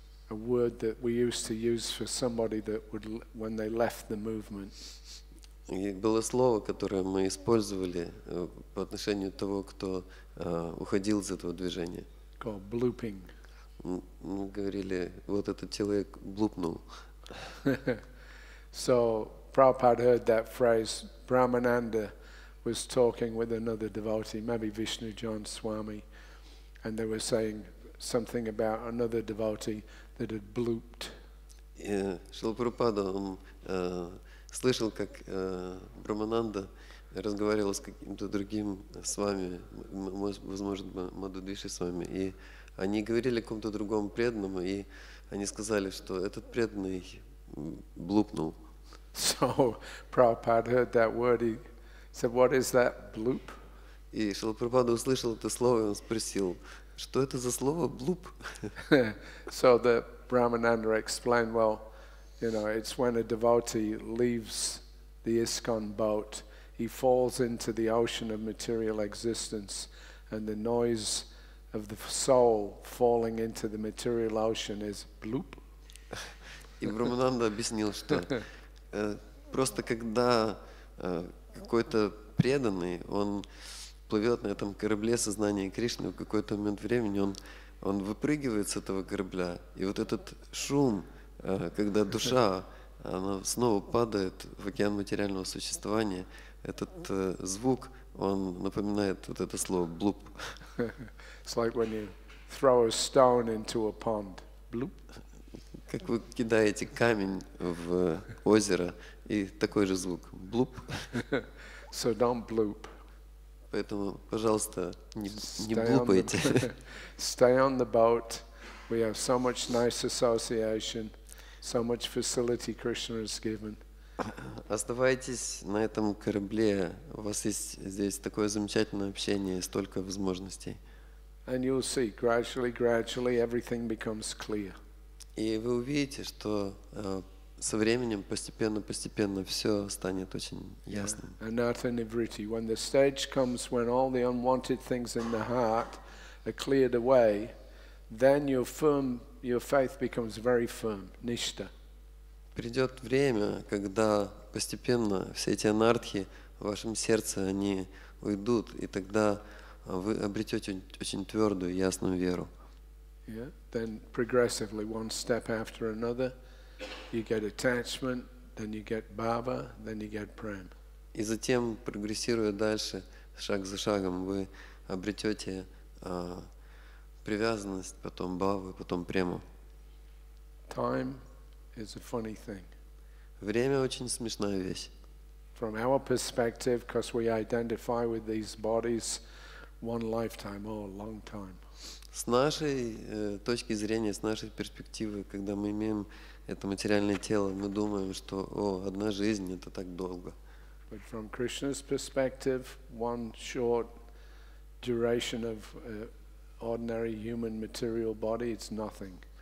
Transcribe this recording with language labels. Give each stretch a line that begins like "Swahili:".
English: A word that we used to use for somebody that would, when they left the movement.
Russian: И было слово, которое мы использовали по отношению того, кто уходил из этого движения.
English: Called blooping.
Russian: Мы говорили, вот этот человек блупнул.
English: So Prabhupada heard that phrase. Brahmananda was talking with another devotee, maybe Vishnu John Swami, and they were saying something about another devotee that had blooped.
Russian: Шрила Прабхупада, он слышал, как Брамананда разговаривал с каким-то другим с вами, возможно, Мадхудвиши с вами, и они говорили о каком-то другом преданном, и они сказали, что этот преданный блупнул.
English: So Prabhupada heard that word, he said, what is that bloop?
Russian: И Шрила Прабхупада услышал это слово, и он спросил, что это за слово блуп?
English: So the Brahmananda explained, well, you know, it's when a devotee leaves the ISKCON boat, he falls into the ocean of material existence, and the noise of the soul falling into the material ocean is bloop.
Russian: И Брамананда объяснил, что просто когда какой-то преданный, он плывет на этом корабле сознания Кришны, в какой-то момент времени он выпрыгивает с этого корабля, и вот этот шум, когда душа она снова падает в океан материального существования, этот звук, он напоминает вот это слово «блуп».
English: It's like when you throw a stone into a pond. Bloop.
Russian: Как вы кидаете камень в озеро, и такой же звук «блуп».
English: So don't bloop.
Russian: Поэтому, пожалуйста, не блупайте.
English: Stay on the boat. We have so much nice association, so much facility Krishna has given.
Russian: Оставайтесь на этом корабле. У вас есть здесь такое замечательное общение, столько возможностей.
English: And you'll see, gradually, gradually everything becomes clear.
Russian: И вы увидите, что со временем постепенно все станет очень ясным.
Sanskrit: Anatta Nivritti.
English: When the stage comes when all the unwanted things in the heart are cleared away, then your faith becomes very firm.
Sanskrit: Nishta.
Russian: Придет время, когда постепенно все эти анартхи в вашем сердце они уйдут, и тогда вы обретете очень твердую, ясную веру.
English: Yeah. Then progressively, one step after another, you get attachment, then you get bhava, then you get prem.
Russian: И затем, прогрессируя дальше, шаг за шагом, вы обретете привязанность, потом бхаву, потом прему.
English: Time is a funny thing.
Russian: Время очень смешная вещь.
English: From our perspective, because we identify with these bodies, one lifetime or a long time.
Russian: С нашей точки зрения, с нашей перспективы, когда мы имеем это материальное тело, мы думаем, что о, одна жизнь это так долго.
English: But from Krishna's perspective, one short duration of ordinary human material body, it's nothing.